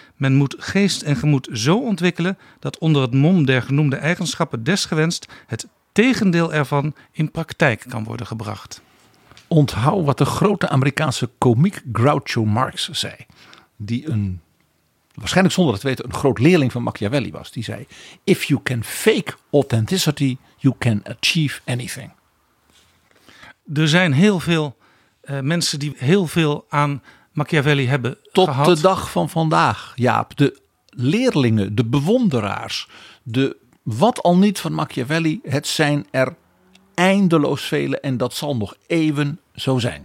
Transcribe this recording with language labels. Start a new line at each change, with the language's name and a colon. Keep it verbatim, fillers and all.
Dutch: Men moet geest en gemoed zo ontwikkelen dat onder het mom der genoemde eigenschappen desgewenst het tegendeel ervan in praktijk kan worden gebracht. Onthoud wat de grote Amerikaanse komiek Groucho Marx zei, die een, waarschijnlijk zonder het weten, een groot leerling van Machiavelli was. Die zei,
English: if you can fake authenticity, you can achieve anything.
Dutch: Er zijn heel veel uh, mensen die heel veel aan Machiavelli hebben Tot gehad. Tot de dag van vandaag, Jaap. De leerlingen, de bewonderaars, de wat al niet van Machiavelli, het zijn er eindeloos vele en dat zal nog even zo zijn.